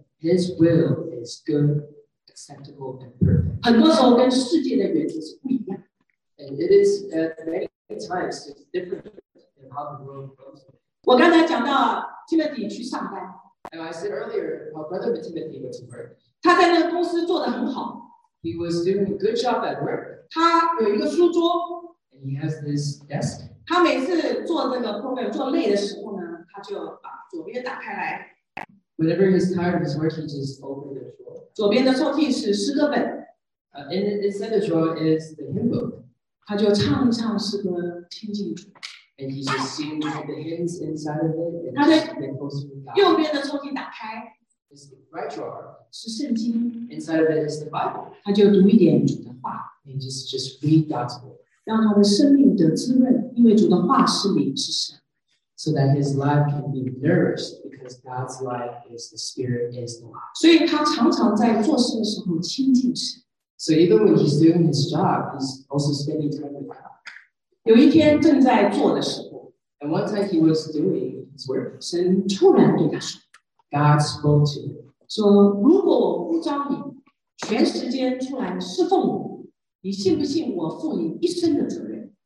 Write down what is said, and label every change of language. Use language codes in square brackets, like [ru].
[en] His will is good, acceptable, and perfect. [zh] 很多时候跟世界的原则是不一样。 [en] And it is at many times it's different than how the world goes. [zh] 我刚才讲到Timothy去上班。 [en] And I said earlier, my brother Timothy went to work. [zh] 他在那个公司做得很好。 [en] He was doing a good job at work. [zh] 他有一个书桌, [en] and he has this desk. [zh] 他每次做那个program做累的时候呢，他就把左边打开来。 [en] Whenever he's tired of his work, he just opens the drawer. [zh] 左边的抽屉是诗歌本。 [en] Inside the drawer is the hymn book. [zh] 他就唱一唱诗歌，听进去。 [en] And he just sings the hymns inside of it. [zh] 他的右边的抽屉打开。 [en] It's the right drawer. [zh] 是圣经。 [en] Inside of it is the Bible. [zh] 他就读一点主的话。 [en] And just read God's word. [zh] 让他的生命得滋润，因为主的话是灵，是神。 [en] so that his life can be nourished, because God's life is the Spirit is the life. [zh] 所以他常常在做事的时候亲近神。 [en] So even when he's doing his job, he's also spending time with God. [zh] 有一天正在做的时候, [en] and one time he was doing his work, [zh] 神突然对他说, [en] God spoke to him. [zh] 说如果我呼召你全时间出来侍奉你，你信不信我负你一生的责任？